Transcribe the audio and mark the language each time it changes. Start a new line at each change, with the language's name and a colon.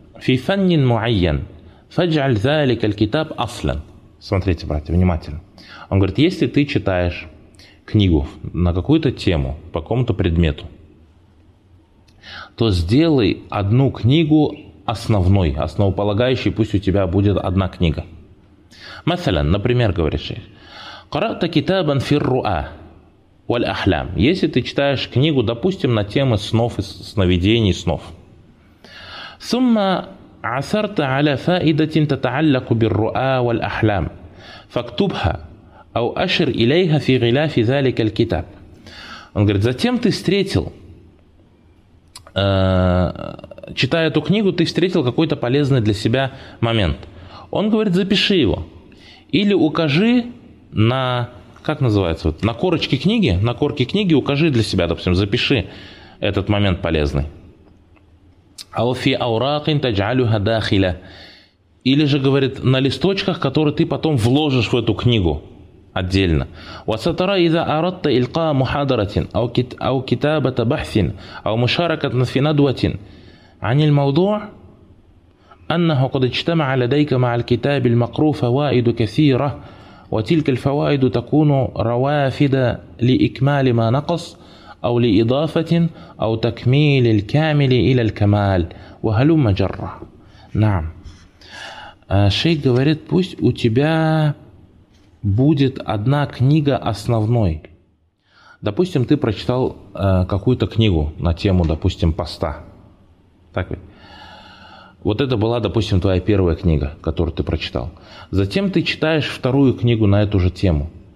Arabic: في فن معين فاجعل ذلك الكتاب اصلا.
Russian: Смотрите, братья, внимательно. Он говорит, если ты читаешь книгу на какую-то тему, по какому-то предмету, то сделай одну книгу основной, основополагающей, пусть у тебя будет одна книга.
Arabic: مثلا,
Russian: например, говоришь,
Arabic: قرأت كتابا في الرؤى والأحلام.
Russian: Если ты читаешь книгу, допустим, на тему снов и сновидений снов.
Arabic: ثم عثرت على فائدة تتعلق بالرؤى والأحلام فاكتبها أو أشر إليها في غلاف ذلك الكتاب.
Russian: Он говорит, затем ты встретил, читая эту книгу, ты встретил какой-то полезный для себя момент. Он говорит, запиши его. Или укажи на, как называется, вот, на корочке книги, на корке книги укажи для себя, допустим, запиши этот момент полезный.
Arabic: أو في أوراق تجعلها داخلة.
Russian: Или же говорит, на листочках, которые ты потом вложишь в эту книгу отдельно.
Arabic: وسترى إذا أردت إلقاء محاضرة أو كتابة بحث أو مشاركة في ندوة عن الموضوع أنه قد اجتمع لديك مع الكتاب المقروء فوائد كثيرة وتلك الفوائد تكون روافد لإكمال ما نقص أو لإضافة أو تكميل الكامل إلى الكمال وهلم جرة. نعم.
Russian: Шейх говорит, пусть у тебя будет одна книга основной. Допустим, ты прочитал какую-то книгу на тему, допустим, поста. Так ведь? Вот это была, допустим, твоя первая книга, которую ты прочитал. Затем ты читаешь вторую книгу на эту же тему.